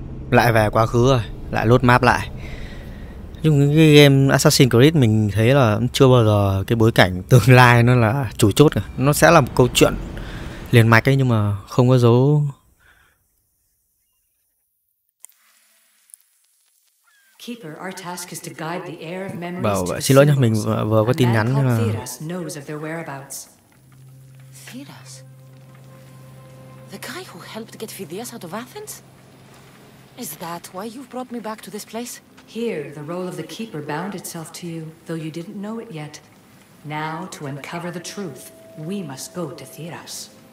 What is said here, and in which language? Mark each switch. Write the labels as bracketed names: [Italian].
[Vietnamese] Lại về quá khứ rồi, lại load map lại. Nhưng cái game Assassin's Creed mình thấy là chưa bao giờ cái bối cảnh tương lai nó là chủ chốt cả. Nó sẽ là một câu chuyện liền mạch ấy, nhưng mà không có dấu. [English] Keeper, our task is to guide the heir of memories. [Vietnamese] Bảo xin lỗi nhá, mình vừa có tin nhắn mà. [English] Theras? The guy who helped get Phidias out of Athens? Is that why you've brought me back to this place? Here, the role of the Keeper bound itself to you, though you didn't know it yet. Now, to uncover the truth, we must go to Theras.